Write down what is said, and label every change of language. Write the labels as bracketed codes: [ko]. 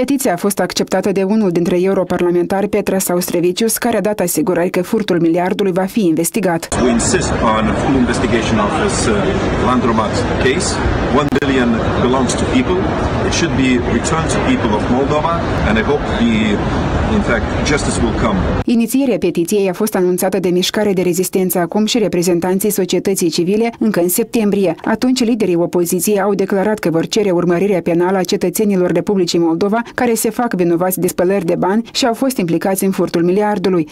[ro] petiție a fost acceptată de unul dintre europarlamentari, Petras Austrevicius, care a dat asigurări că furtul miliardului va fi investigat. [en] We insist on a full investigation of this Landromat case. 1 billion belongs to people. It should be returned to people of Moldova and I hope the in fact justice will come. [ro] Inițierea petiției a fost anunțată de Mișcare de Rezistență Acum și reprezentanții societății civile încă în septembrie. Atunci liderii opoziției au declarat că vor cere urmărirea penală a cetățenilor Republicii Moldova care se fac vinovați de spălări de bani și au fost implicați în furtul miliardului.